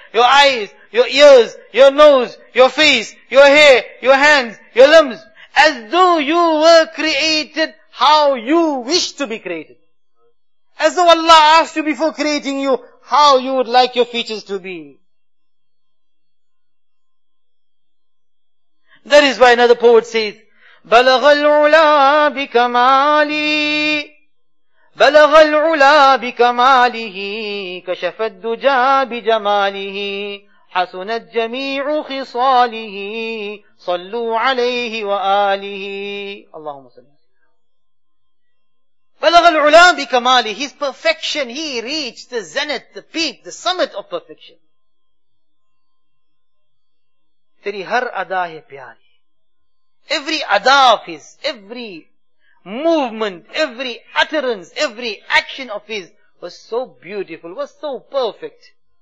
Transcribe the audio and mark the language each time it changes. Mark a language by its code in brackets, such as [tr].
[en] your eyes, your ears, your nose, your face, your hair, your hands, your limbs, as though you were created how you wish to be created. As though Allah asked you before creating you how you would like your features to be. That is why another poet says, [ar] بَلَغَ الْعُلَى بِكَمَالِي بَلَغَ الْعُلَى بِكَمَالِهِ كَشَفَ الدُّجَى بِجَمَالِهِ حَسُنَتْ جَمِيعُ خِصَالِهِ صَلُّوا عَلَيْهِ وَآلِهِ اللهم صل. بَلَغَ الْعُلَى بِكَمَالِهِ [en] His perfection, he reached the zenith, the peak, the summit of perfection. [ur] تیری ہر ادا ہے پیاری. [en] Every ada of his, every movement, every utterance, every action of his was so beautiful, was so perfect.